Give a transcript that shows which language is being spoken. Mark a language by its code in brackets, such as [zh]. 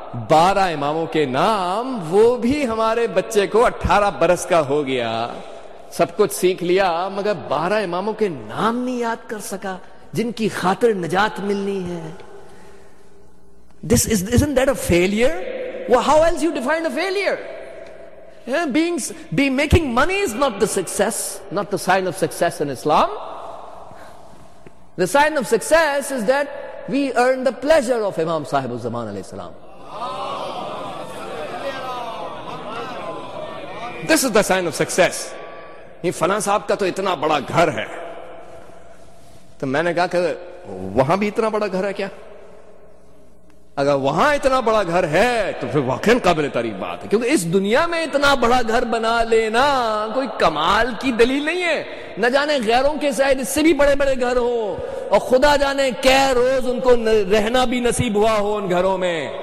[ur] 12 اماموں کے نام، وہ بھی ہمارے بچے کو 18 برس کا ہو گیا، سب کچھ سیکھ لیا مگر 12 اماموں کے نام نہیں یاد کر سکا جن کی خاطر نجات ملنی ہے، [en] This is isn't that a failure؟ Well, how else you define a failure؟ Yeah, making money is not the success, not the sign of success in Islam. The sign of success is that we earn the pleasure of Imam Sahib al-Zaman alayhi salam. This is the sign of success. [ur] یہ فلاں صاحب کا تو اتنا بڑا گھر ہے، تو میں نے کہا کہ وہاں بھی اتنا بڑا گھر ہے کیا؟ اگر وہاں اتنا بڑا گھر ہے تو پھر واقعی قابل تعریف بات ہے، کیونکہ اس دنیا میں اتنا بڑا گھر بنا لینا کوئی کمال کی دلیل نہیں ہے، نہ جانے غیروں کے شاید اس سے بھی بڑے بڑے گھر ہوں، اور خدا جانے کہ روز ان کو رہنا بھی نصیب ہوا ہو ان گھروں میں،